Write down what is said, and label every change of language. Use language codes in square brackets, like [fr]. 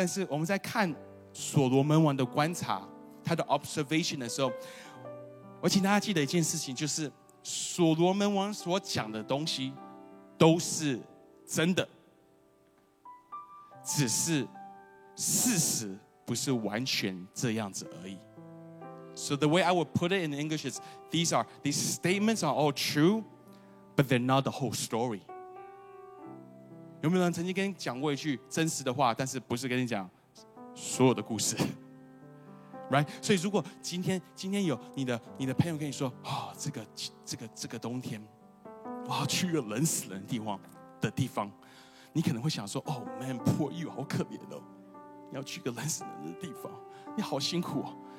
[zh] 但是我们在看所罗门王的观察，他的 observation 的时候，我请大家记得一件事情，就是所罗门王所讲的东西都是真的，只是事实不是完全这样子而已。 [en] So the way I would put it in English is these statements are all true but they're not the whole story。 [zh] 有没有人曾经跟你讲过一句真实的话，但是不是跟你讲所有的故事？ [en] Right? [zh] 所以如果今天有你的朋友跟你说、哦、这个冬天我要去一个冷死人的地方，你可能会想说 [en] Oh man, poor you, [zh] 好可怜哦，你要去一个冷死人的地方，你好辛苦哦。